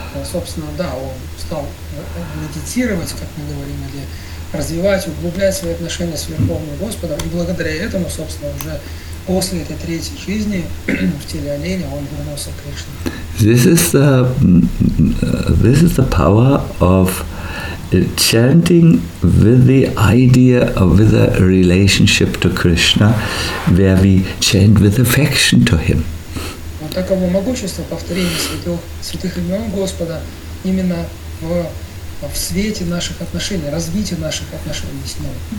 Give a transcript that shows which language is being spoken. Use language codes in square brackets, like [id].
[ru] Собственно, да, он стал медитировать, как мы говорим, или развивать, углублять свои отношения с Верховным Господом, и благодаря этому, собственно, уже после этой третьей жизни в теле оленя он вернулся к Кришне. [en] This is the power of chanting with the idea of with a relationship to Krishna, where we chant with affection to Him. [ru] Вот таково могущество повторения святых имен Господа именно в свете наших отношений, развитие наших отношений с Ним.